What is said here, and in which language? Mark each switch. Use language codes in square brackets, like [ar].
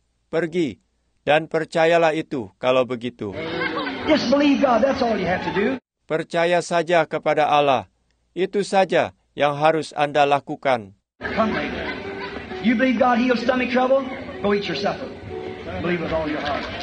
[id] Pergi dan percayalah itu kalau begitu. [en] Just believe God, that's all you have to do. [id] Percaya saja kepada Allah. Itu saja yang harus Anda lakukan. [en] Come later. You believe God heals stomach trouble? Go eat your supper. Believe with all your heart.